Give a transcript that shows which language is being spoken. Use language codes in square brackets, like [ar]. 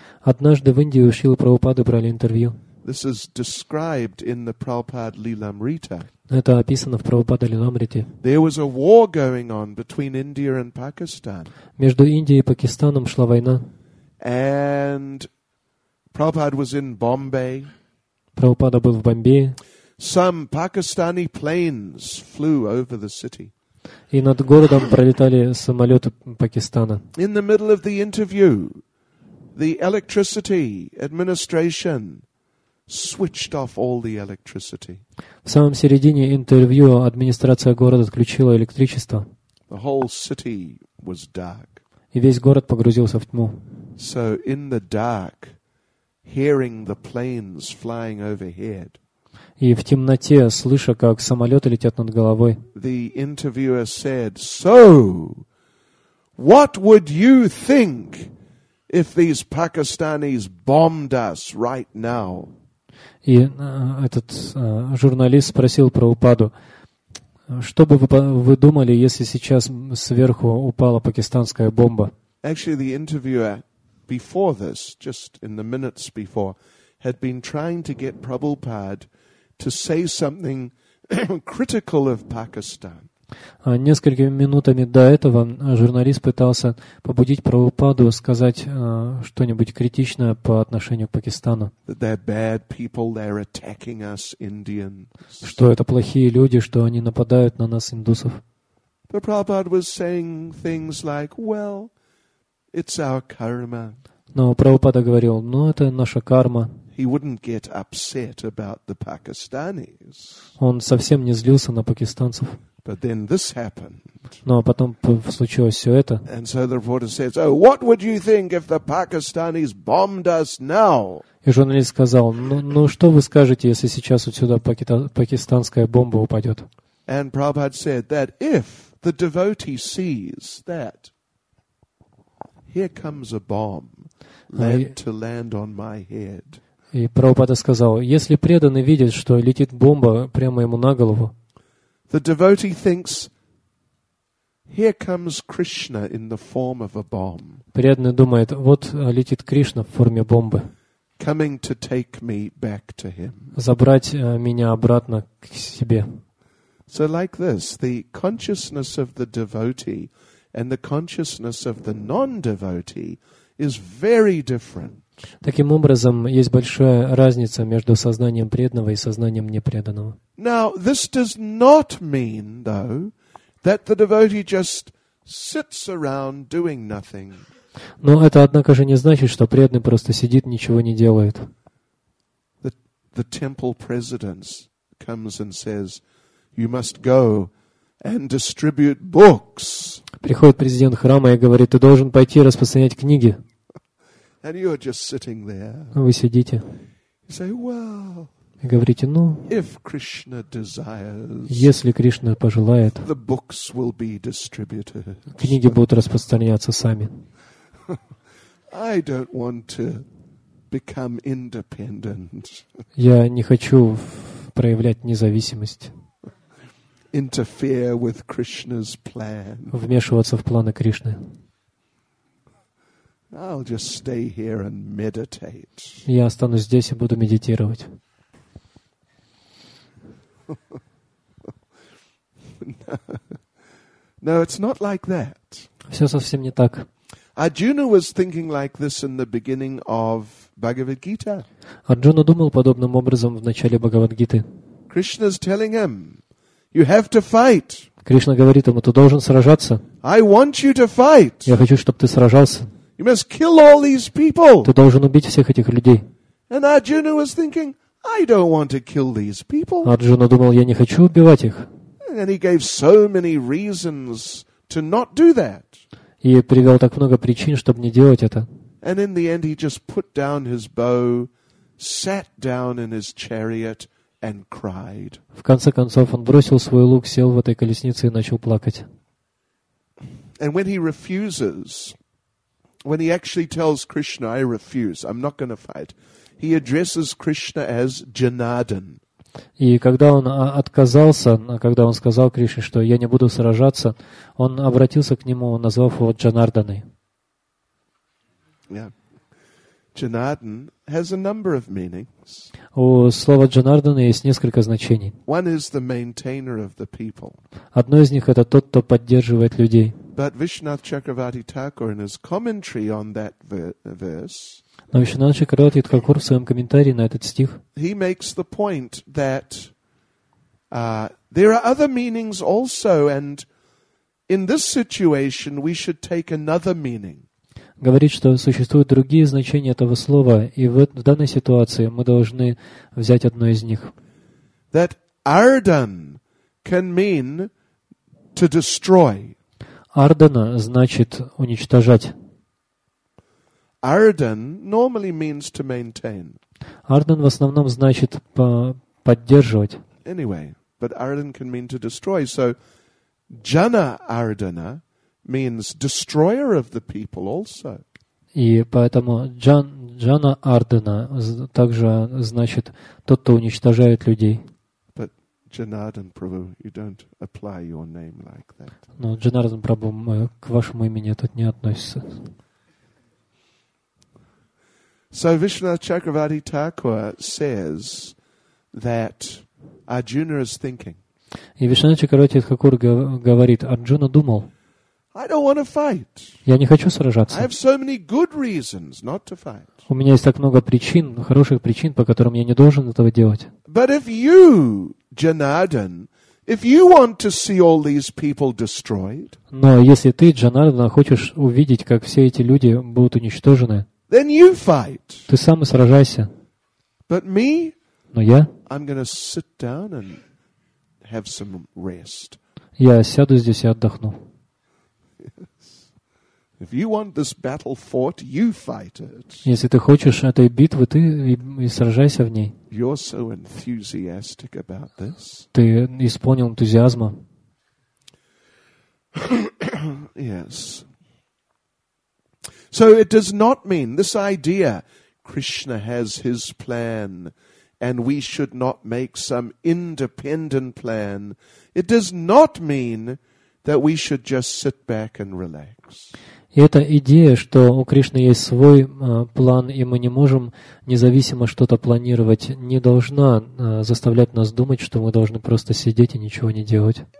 [ru] Однажды в Индии у Шрилы Прабхупады брали интервью. [en] This is described in the Prabhupada Lilamrita. [ru] Это описано в Прабхупада Лиламрите. [en] There was a war going on between India and Pakistan. [ru] Между Индией и Пакистаном шла война. [en] And Prabhupada was in Bombay. [ru] Прабхупада был в Бомбее. [en] Some Pakistani planes flew over the city. [ru] И над городом пролетали самолеты Пакистана. [en] In the middle of the interview, the electricity administration switched off all the electricity. [ru] В самом середине интервью администрация города отключила электричество. [en] The whole city was dark. [ru] И весь город погрузился в тьму. [en] So in the dark, hearing the planes flying overhead. [ru] И в темноте, слыша, как самолеты летят над головой. [en] The interviewer said, "So, what would you think if these Pakistanis bombed us right now?" [ru] И этот журналист спросил Прабхупаду, что бы вы думали, если сейчас сверху упала пакистанская бомба? [en] Actually, the interviewer before this, just in the minutes before, had been trying to get Prabhupada to say something critical of Pakistan. [ru] Несколькими минутами до этого журналист пытался побудить Прабхупаду сказать что-нибудь критичное по отношению к Пакистану. [en] That they're bad people, they're attacking us, Indians. [ru] Что это плохие люди, что они нападают на нас, индусов. [en] But Prabhupada was saying things like, "Well, it's our karma." [ru] Но Прабхупада говорил, "Ну, это наша карма." [en] He wouldn't get upset about the Pakistanis. [ru] Он совсем не злился на пакистанцев. [en] But then this happened. [ru] Но потом случилось все это. [en] And so the reporter says, "Oh, what would you think if the Pakistanis bombed us now?" [ru] И журналист сказал, ну что вы скажете, если сейчас вот сюда пакистанская бомба упадет? [en] And Prabhupada said that if the devotee sees that here comes a bomb to land on my head. [ru] И Прабхупада сказал, если преданный видит, что летит бомба прямо ему на голову, [en] the devotee thinks, here comes Krishna in the form of a bomb. [ru] Преданный думает, вот летит Кришна в форме бомбы, [en] coming to take me back to him. [ru] Забрать меня обратно к себе. [en] So like this, the consciousness of the devotee and the consciousness of the non-devotee is very different. [ru] Таким образом, есть большая разница между сознанием преданного и сознанием непреданного. [en] Now, this does not mean, though, that the devotee just sits around doing nothing. [ru] Но это, однако же, не значит, что преданный просто сидит, ничего не делает. [en] The temple president comes and says, "You must go and distribute books." [ru] Приходит президент храма и говорит, ты должен пойти распространять книги. [en] And you're just sitting there. [ru] Вы сидите. [en] You say, well, [ru] и говорите, ну, [en] if Krishna desires, [ru] если Кришна пожелает, [en] the books will be distributed. [ru] Книги будут распространяться сами. [en] I don't want to become independent. [ru] Я не хочу проявлять независимость. [en] Interfere with Krishna's plan. [ru] Вмешиваться в планы Кришны. [en] I'll just stay here and meditate. [ru] Я останусь здесь и буду медитировать. [en] No, it's not like that. [ru] Все совсем не так. [en] Arjuna was thinking like this in the beginning of Bhagavad Gita. [ru] Арджуна думал подобным образом в начале Бхагавад-гиты. [en] Krishna's telling him, you have to fight. [ru] Кришна говорит ему, ты должен сражаться. [en] I want you to fight. [ru] Я хочу, чтобы ты сражался. [en] You must kill all these people. [ru] Ты должен убить всех этих людей. [en] And Arjuna was thinking, I don't want to kill these people. [ru] Арджуна думал, я не хочу убивать их. [en] And he gave so many reasons to not do that. [ru] И привел так много причин, чтобы не делать это. [en] And in the end he just put down his bow, sat down in his chariot and cried. [ru] В конце концов он бросил свой лук, сел в этой колеснице и начал плакать. [en] And when he refuses, when he actually tells Krishna, I refuse, I'm not going to fight, he addresses Krishna as Janardan. [ru] И когда он отказался, когда он сказал Кришне, что я не буду сражаться, он обратился к нему, назвав его Джанарданой. [en] Yeah. Janardan has a number of meanings. [ru] У слова Джанардана есть несколько значений. [en] One is the maintainer of the people. [ru] Одно из них — это тот, кто поддерживает людей. [en] But Vishwanath Chakravarti Thakur in his commentary on that verse, [ru] но Вишванат Чакравати Тхакур в своем комментарии на этот стих, [en] he makes the point that there are other meanings also, and in this situation we should take another meaning. [ru] Говорит, что существуют другие значения этого слова, и вот в данной ситуации мы должны взять одно из них. [en] That Ardhan can mean to destroy. [ru] Ардана значит уничтожать. [en] Ardhan normally means to maintain. [ru] Ардан в основном значит поддерживать. [en] Anyway, but Ardhan can mean to destroy. So Jana Ardhana means destroyer of the people also. [ru] И поэтому Jana Ardhana также значит тот, кто уничтожает людей. [en] Janardan Prabhu, you don't apply your name like that. [ru] Но Janardan Prabhu, к вашему имени это не относится. [en] So Vishwanath Chakravarti Thakur says that Arjuna is thinking. [ru] И Вишванат Чакравати Тхакур говорит, Арджуна думал. [en] I don't want to fight. [ru] Я не хочу сражаться. [en] I have so many good reasons not to fight. [ru] У меня есть так много причин, хороших причин, по которым я не должен этого делать. [en] But if you, Janardan, if you want to see all these people destroyed, [ru] но если ты, Джанардана, хочешь увидеть, как все эти люди будут уничтожены, [en] then you fight. [ru] Ты сам и сражайся. [en] But me, [ru] но я, [en] I'm going to sit down and have some rest. [ru] Я сяду здесь и отдохну. [en] If you want this battle fought, you fight it. [ru] Если ты хочешь этой битвы, ты и сражайся в ней. [en] You're so enthusiastic about this. [ru] Ты исполнил энтузиазма. [en] Yes. So it does not mean this idea Krishna has his plan and we should not make some independent plan. It does not mean that we should just sit back and relax. [ru] И эта идея, что у Кришны есть свой план, и мы не можем независимо что-то планировать, не должна заставлять нас думать, что мы должны просто сидеть и ничего не делать.